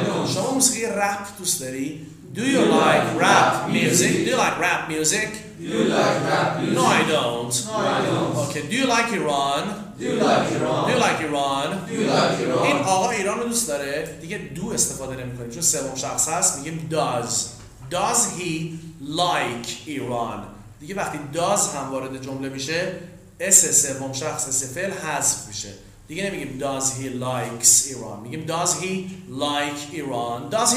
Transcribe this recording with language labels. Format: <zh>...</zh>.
<fa>شما موسیقی رپ دوست داری؟</fa> <en>Do you like rap music? No, I don't. Okay. Do you like Iran?</en> <fa>این آقا ایران رو دوست داره. دیگه دو استفاده نمی‌کنیم چون سوم شخص هست. میگیم</fa> <en>Does he like Iran?</en> <fa>دیگه وقتی does هم وارد جمله میشه اس سوم شخص اس فعل حذف میشه. دیگه نمیگیم</fa> <en>does he likes Iran.</en> <fa>میگیم</fa> <en>does he like Iran?</en>